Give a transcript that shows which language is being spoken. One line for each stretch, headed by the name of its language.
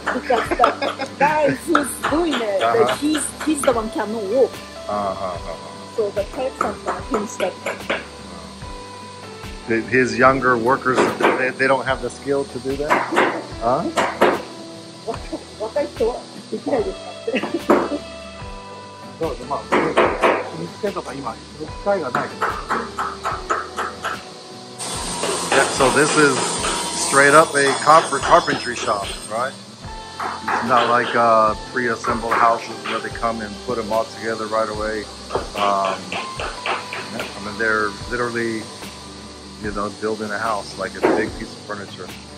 English: Because the guy who's doing it, he's the one who can walk. Uh-huh, uh-huh. So Hayaki-san going to finish that. His younger workers, they don't have the skill to do that? Huh?
Japanese: 若い人はできないですか? そうで、まあ、組み付けとか今、する機会がないけど。
English: Yeah, so this is straight up a carpentry shop, right? It's not like pre-assembled houses where they come and put them all together right away. I mean, they're literally, you know, building a house, like a big piece of furniture.